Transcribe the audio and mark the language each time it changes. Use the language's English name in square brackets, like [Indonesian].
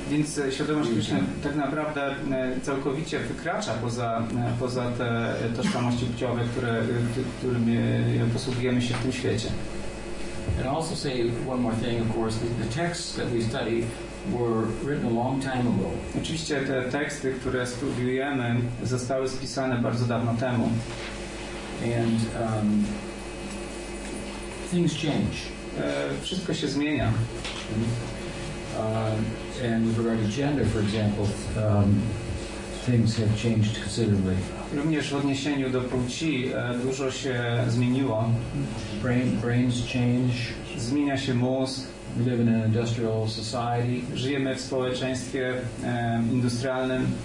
[Polish] Więc świadomość Krishna tak naprawdę całkowicie wykracza poza te tożsamości płciowe, którymi posługujemy się w tym świecie. [English] And also say one more thing, of course, the texts that we study were written a long time ago. [Polish] Oczywiście te teksty, które studiujemy, zostały spisane bardzo dawno temu. [English] And things change. [Polish] Wszystko się zmienia. [English] And with regard to gender, for example, things have changed considerably. [Polish] Również w odniesieniu do płci dużo się zmieniło. [English] Brains change. [Polish] Zmienia się mózg. [English] We live in an industrial society. [Polish] Żyjemy w społeczeństwie industrialnym.